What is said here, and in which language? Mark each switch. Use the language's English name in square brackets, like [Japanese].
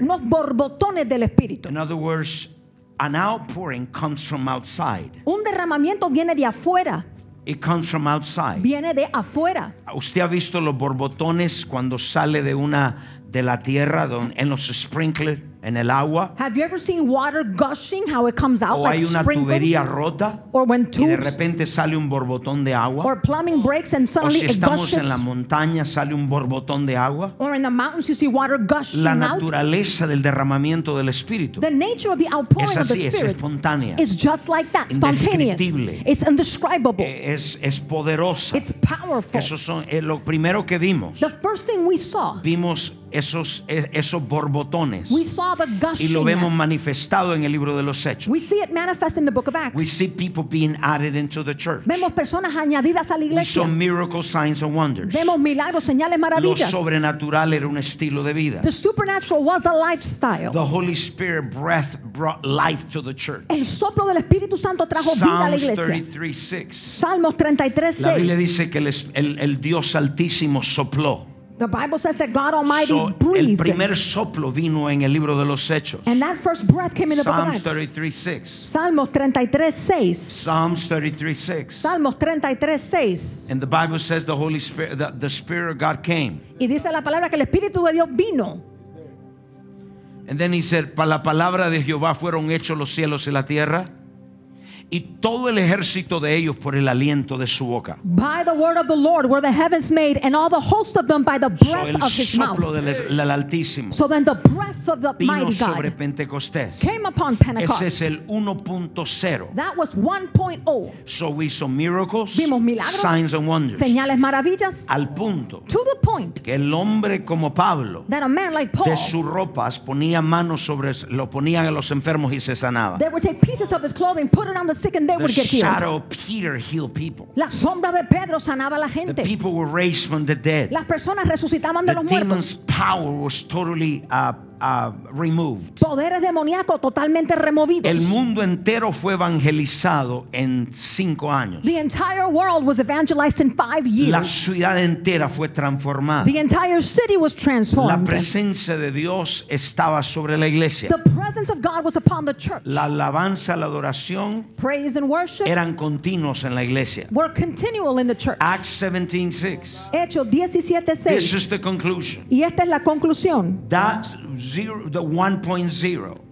[Spanish] Unos borbotones del Espíritu. [English] In other words, an outpouring comes from outside. [Spanish] Un derramamiento viene de afuera. [English] It comes from outside. [Spanish] Viene de afuera. ¿Usted ha visto los borbotones cuando sale de una de la tierra don, en los sprinklers en el agua? [English] Have you ever seen water gushing how it comes out [Spanish] o hay [English] like [Spanish] una [English] sprinkles? [Spanish] Tubería rota [English] or when tubes, [Spanish] y de repente sale un borbotón de agua [English] or plumbing breaks and suddenly [Spanish] o si estamos [English] it gushes, [Spanish] en la montaña sale un borbotón de agua [English] or in the mountains you see water gushing [Spanish] la naturaleza [English] out. [Spanish] Del derramamiento del Espíritu [English] the nature of the outpouring [Spanish] es así, [English] of the [Spanish] es espontánea [English] it's just like that [Spanish] indescriptible [English] it's indescribable [Spanish] es poderosa [English] it's powerful [Spanish] eso son lo primero que vimos [English] the first thing we saw [Spanish] vimos esos borbotones [English] we saw the gushing [Spanish] y lo vemos manifestado en el libro de los Hechos [English] we see it manifest in the book of Acts we see people being added into the church [Spanish] vemos personas añadidas a la iglesia [English] we saw miracles, signs and wonders [Spanish] vemos milagros, señales, maravillas lo sobrenatural era un estilo de vida [English] the supernatural was a lifestyle the Holy Spirit breath brought life to the church [Spanish] el soplo del Espíritu Santo trajo [English] Psalms [Spanish] vida a la iglesia [English] Psalms 33:6 [Spanish] la Biblia dice que el Dios Altísimo sopló. [English] The Bible says that God Almighty breathed. [Spanish] El primer soplo vino en el libro de los Hechos. [English] And that first breath came in the Psalms book of Acts. 33:6. [Spanish] Salmos 33:6. [English] Psalms 33:6. [Spanish] Salmos 33:6. [English] And the Bible says the Holy Spirit, the Spirit of God came. [Spanish] Y dice la palabra que el Espíritu de Dios vino. [English] And then he said, [Spanish] "Para la palabra de Jehová fueron hechos los cielos y la tierra." Y todo el ejército de ellos por el aliento de su boca. [English] By the word of the Lord were the heavens made, and all the hosts of them by the breath so of his mouth. [Spanish] El soplo del Altísimo. [English] So then the breath of the mighty God. [Spanish] Vino sobre Pentecostés. [English] Came upon Pentecost. [Spanish] Ese es el 1.0. [English] That was 1.0. So we saw miracles. [Spanish] Vimos milagros. [English] Signs and wonders. [Spanish] Señales, maravillas. Al punto. [English] To the point. [Spanish] Que el hombre como Pablo. [English] That a man like Paul. [Spanish] De sus ropas ponía manos sobre, lo ponían a los enfermos y se sanaba. [English] They would take pieces of his clothing, put it on the sick and they the would get healed. The shadow of Peter healed people. [Spanish] La sombra de Pedro sanaba la gente. [English] The people were raised from the dead. [Spanish] Las personas resucitaban de los muertos. [English] The demon's power was totally removed. [Spanish] Poderes demoníacos totalmente removidos. El mundo entero fue evangelizado en 5 años. [English] The entire world was evangelized in 5 years. [Spanish] La ciudad entera fue transformada. [English] The entire city was transformed. [Spanish] La presencia de Dios estaba sobre la iglesia. [English] The presence of God was upon the church. [Spanish] La alabanza, la adoración, [English] praise and worship, [Spanish] eran continuos en la iglesia. [English] Were continual in the church. Acts 17:6. [Spanish] Hechos 17:6. [English] This is the conclusion. [Spanish] Y esta es la conclusión. [English] That's zero, the 1.0.